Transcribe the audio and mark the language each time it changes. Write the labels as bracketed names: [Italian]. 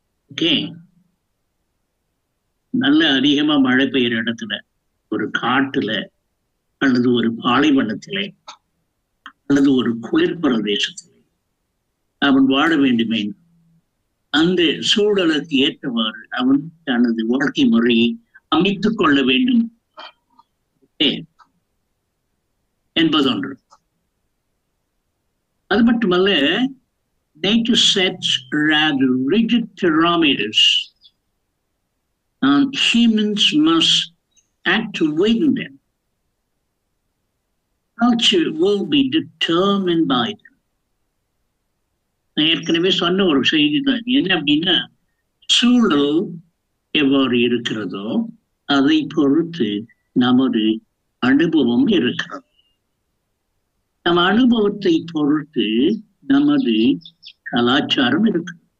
[Tamil] Okay நல்ல அதிகமா மழை பெய்யுற இடத்துல ஒரு காட்டுல அல்லது ஒரு பாலைவனத்திலே அல்லது ஒரு குளிர் பிரதேசத்திலே அவன் வாழ வேண்டுமே, அந்த சூழலுக்கு ஏற்றவாறு அவன் தனது வாழ்க்கை முறையை அமைத்துக் கொள்ள வேண்டும் என்பதொன்று. அது மட்டுமல்ல, [English] nature sets rather rigid parameters and humans must act within them. Culture will be determined by them. [Tamil] நான் ஏற்கனவே சொன்ன ஒரு செய்திதான், என்ன அப்படின்னா சூழல் எவ்வாறு இருக்கிறதோ அதை பொறுத்து நமது அனுபவம் இருக்கிறது. நம் அனுபவத்தை பொறுத்து நமது கலாச்சாரம் இருக்கு.